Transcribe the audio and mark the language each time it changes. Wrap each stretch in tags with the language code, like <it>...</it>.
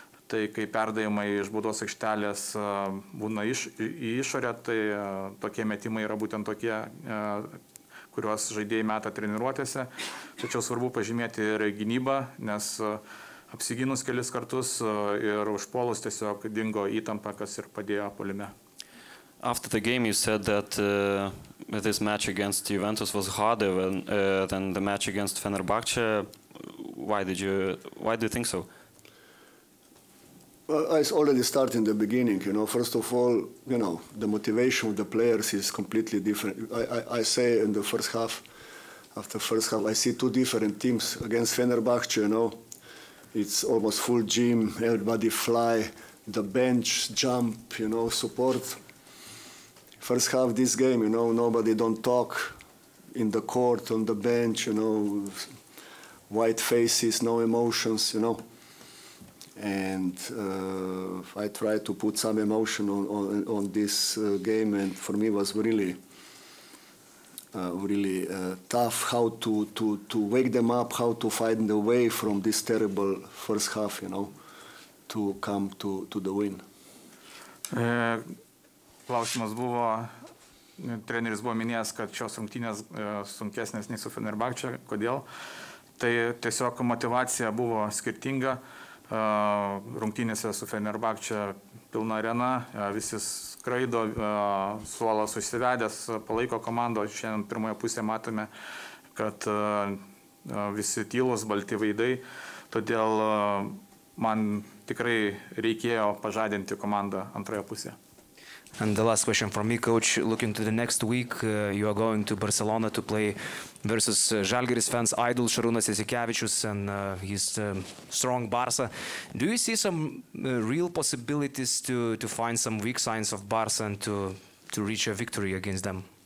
<lt>Tai kai perdavimai iš baudos aikštelės būna į išorę, tai tokie metimai yra būtent tokie, kuriuos žaidėjai meta treniruotėse. Tačiau svarbu pažymėti ir gynybą, nes apsiginus kelis kartus ir užpuolus tiesiog dingo įtampa, kas ir padėjo Puolime.</lt> <en>After the game you said that this match against Juventus was harder than, than the match against Fenerbahce. Why do you think so? Well, I already started in the beginning, you know. First of all, you know, the motivation of the players is completely different. I say in the first half, after first half, I see two different teams against Fenerbahce, you know. It's almost full gym, everybody fly, the bench jump, you know, support. First half this game, you know, nobody don't talk in the court, on the bench, you know, white faces, no emotions, you know. And I tried to put some emotion on this game, and for me it was really, really tough how to wake them up, how to find the way from this terrible first half, you know, to come to the win.</en> <lt>Klausimas buvo, treneris buvo minėjęs, kad šios rungtynės sunkesnės nei su Fenerbahce, kodėl. Tai tiesiog motivacija buvo skirtinga. Rungtynėse su Fenerbahce pilna arena, visi skraido, suolas susivedęs, palaiko komandą. Šiandien pirmoje pusėje matome, kad visi tylos, balti vaidai. Todėl man tikrai reikėjo pažadinti komandą antroje pusėje.</lt> <en>And the last question for me, coach, looking to the next week, you are going to Barcelona to play versus Žalgiris fans idol Šarūnas Jasikevičius and his strong Barca. Do you see some real possibilities to find some weak signs of Barca and to reach a victory against them?</en>